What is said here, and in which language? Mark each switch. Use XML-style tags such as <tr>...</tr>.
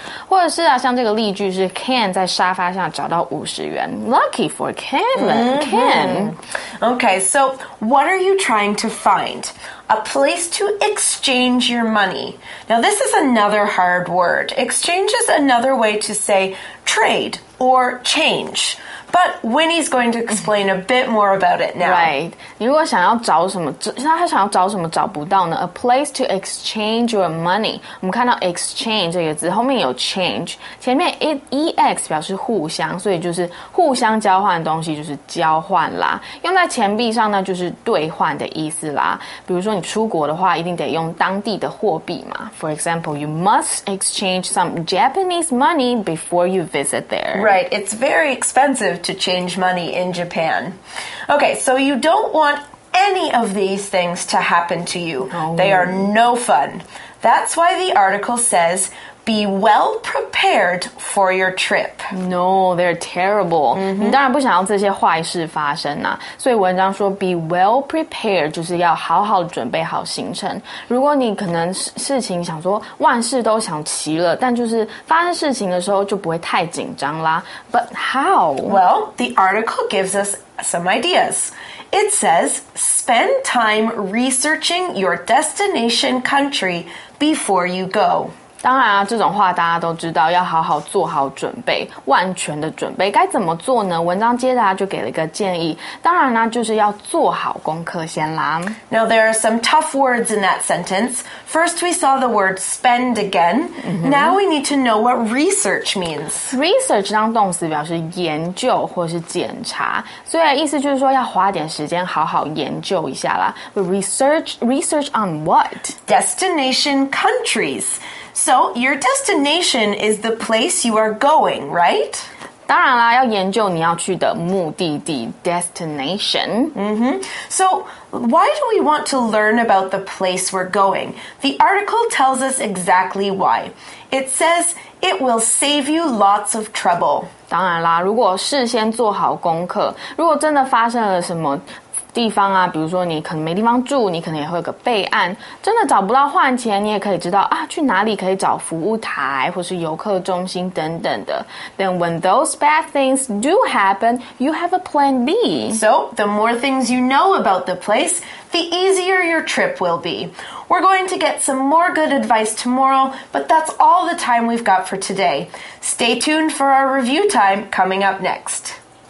<zh>或者是啊，像这个例句是 Ken 在沙发上找到50元。</zh> <en>Lucky for Kevin. Mm-hmm. Ken. Okay, so what are you trying to find? A place to exchange your money. Now, this is another hard word. Exchange is another way to say trade or change. But Winnie's going to explain a bit more about it now.</en> <zh>Right. 你如果想要找什么，那他想要找什么找不到呢？</zh> <en>A place to exchange your money.</en> <zh>我们看到 exchange 这个字，后面有 change. 前面 ex 表示互相，所以就是互相交换的东西就是交换啦。用在钱币上呢，就是兑换的意思啦。比如说你出国的话，一定得用当地的货币嘛。</zh> <en>For example, you must exchange some Japanese money before you visit there. Right. It's very expensive. To change money in Japan. Okay, so you don't want any of these things to happen to you. No. They are no fun. That's why the article says, be well prepared for your trip. No, they're terrible. Mm-hmm.</en> <zh>你当然不想要这些坏事发生啊。所以文章说</zh> <en>be well prepared</en> <zh>就是要好好准备好行程。如果你可能事情想说万事都想齐了，但就是发生事情的时候就不会太紧张啦。</zh> <en>But how? Well, the article gives us some ideas. It says, spend time researching your destination country before you go.</en> <zh>当然啊，这种话大家都知道，要好好做好准备，万全的准备。该怎么做呢？文章接着啊，就给了一个建议。当然啊，就是要做好功课先啦。</zh> <en>Now, there are some tough words in that sentence. First, we saw the word spend again. Mm-hmm. Now, we need to know what research means.</en> <zh>Research 当动词表示研究或是检查。所以意思就是说要花点时间好好研究一下啦。</zh> <en>But research on what? Destination countries.So, your destination is the place you are going, right?</en> <zh>当然啦，要研究你要去的目的地 destination. Mm-hmm.</zh> <en>So, why do we want to learn about the place we're going? The article tells us exactly why. It says it will save you lots of trouble.</en> <zh>当然啦，如果事先做好功课，如果真的发生了什么地方啊，比如说你可能没地方住，你可能也会有个备案，真的找不到换钱，你也可以知道啊，去哪里可以找服务台或是游客中心等等的。</zh> <en>Then when those bad things do happen, you have a plan B. So the more things you know about the place, the easier your trip will be. We're going to get some more good advice tomorrow, but that's all the time we've got for today. Stay tuned for our review time coming up next.</en>